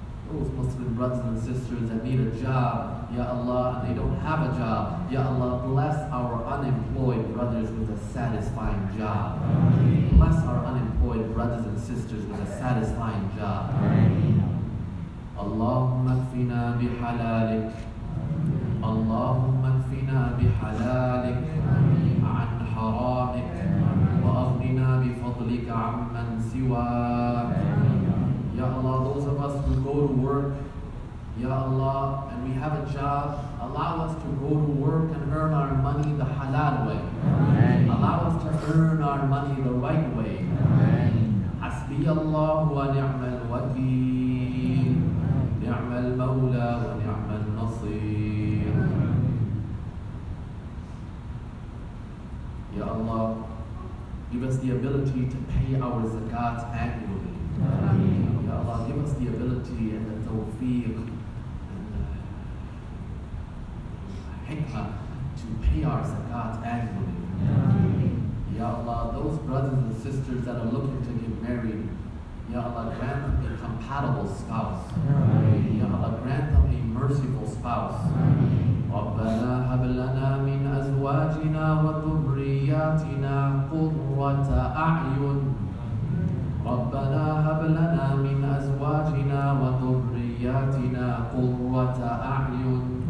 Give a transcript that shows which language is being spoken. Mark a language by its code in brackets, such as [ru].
[en] Those Muslim brothers and sisters that need a job, Ya Allah, and they don't have a job, Ya Allah, bless our unemployed brothers with a satisfying job. Bless our unemployed brothers and sisters with a satisfying job. [ar] Allahumma kfina bihalalik. اللهم اكفنا بحلالك عن حرامك وأغننا بفضلك عمن سواك. [en] Ya Allah, those of us who go to work, Ya Allah, and we have a job, allow us to go to work and earn our money the halal way. Allow us to earn our money the right way. [ar] حسبي الله ونعم الوكيل نعم المولى ونعم النصير. [en] Ya Allah, give us the ability to pay our zakat annually. Ameen. Ya Allah, give us the ability and the tawfiq and the hikmah to pay our zakat annually. Ameen. Ya Allah, those brothers and sisters that are looking to get married, Ya Allah, grant them a compatible spouse. Ameen. Ya Allah, grant them a merciful spouse. Ameen. [ar] ربنا هب لنا من أزواجنا وذرياتنا قرة أعين. ربنا هب لنا من أزواجنا وذرياتنا قرة أعين.